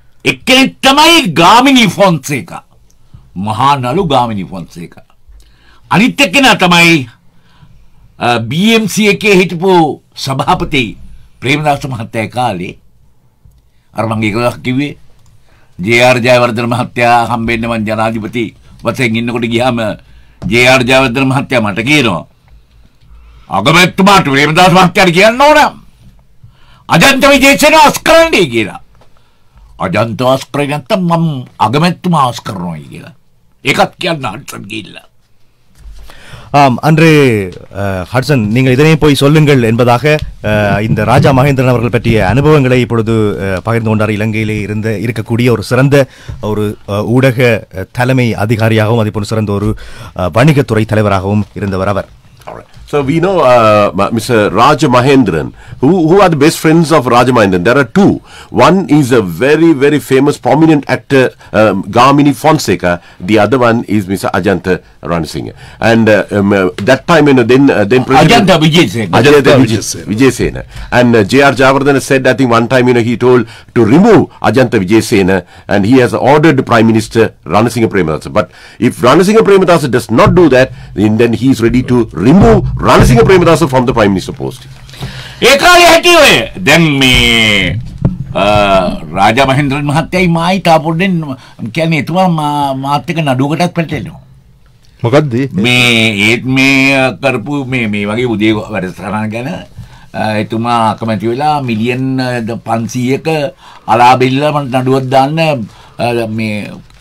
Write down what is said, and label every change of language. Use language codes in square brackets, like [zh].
[si] එක්කෙනෙක් තමයි ගාමිණී ෆොන්සේකා මහා නළු ගාමිණී ෆොන්සේකා අනිත් එක්කෙනා තමයි BMC එකේ හිටපු සභාපති ප්‍රේමදාස මහත්තයා කාලේ අර මම ඒක කිව්වේ JR ජයවර්ධන මහත්තයා හම්බෙන්න මං ජනාධිපති වශයෙන් ඉන්නකොට ගියාම JR ජයවර්ධන මහත්තයා මට කියනවා අගමැතිතුමාට ප්‍රේමදාස මහත්තයාට කියන්න ඕන අජන්ත විජේසේන අස්කරණේ කියලා අජන්ත අස්කරණ නැත්නම් මම අගමැතිතුමා අස්කරනවායි කියලා ඒකත් කියන්න හදන්න ගිහිල්ලා [ta] அன்றே ஹட்சன் நீங்கள் இதனை போய் சொல்லுங்கள் என்பதாக இந்த ராஜா மகேந்திரன் அவர்கள் பற்றிய அனுபவங்களை இப்பொழுது பகிர்ந்து கொண்டார் இலங்கையிலே இருந்த இருக்கக்கூடிய ஒரு சிறந்த ஒரு ஊடக தலைமை அதிகாரியாகவும் அதே போல சிறந்த ஒரு வணிகத்துறை தலைவராகவும் இருந்தவர் அவர் [en] So we know Mr. Rajamahendran, who are the best friends of Rajamahendran. There are two. One is a very, very famous, prominent actor, Gamini Fonseca. The other one is Mr. Ajanta Ranasinghe. And that time, you know, then Ajanta Vijayasena. Ajanta Vijayasena. And J.R. Jayawardhan said, I think one time, you know, he told to remove Ajanta Vijayasena, and he has ordered Prime Minister Ranasinghe Premadasa. But if Ranasinghe Premadasa does not do that, then he is ready to remove. [si] Ranasinghe Premadasa [en] from the prime minister post [si] ඒ කාලේ හිටියේ ඔය දැන් මේ රාජා මහේන්ද්‍රන් මහත්තයයි මායි තා පොඩ්ඩෙන් කියන්නේ එතුමා මාත් එක නඩුවකටත් පැටලෙනවා මොකද්ද මේ ඒත් මේ කරපු මේ මේ වගේ උදේ වැඩසටහන ගැන එතුමා අකමැති වෙලා මිලියන් 500ක අලාබිල්ල මට නඩුවක් දාන්න මේ